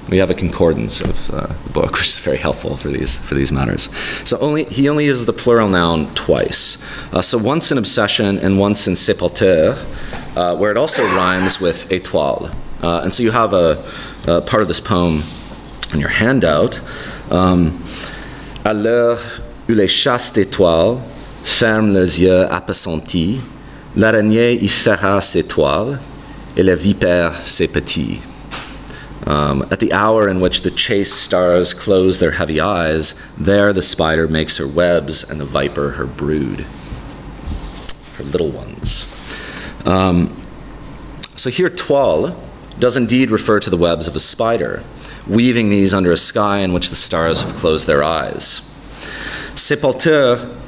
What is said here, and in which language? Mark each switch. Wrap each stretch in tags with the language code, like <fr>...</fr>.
<en>We have a concordance of the book, which is very helpful for these matters. So he only uses the plural noun twice. So once in Obsession and once in Sépulture, where it also rhymes with étoile. And so you have a part of this poem in your handout.</en> <fr>À l'heure où les chastes étoiles ferment leurs yeux appesantis, l'araignée y fera ses toiles et la vipère ses petits.</fr> <en>At the hour in which the chaste stars close their heavy eyes, there the spider makes her webs and the viper her brood, her little ones. So here toile does indeed refer to the webs of a spider, weaving these under a sky in which the stars have closed their eyes. Sépulture</en>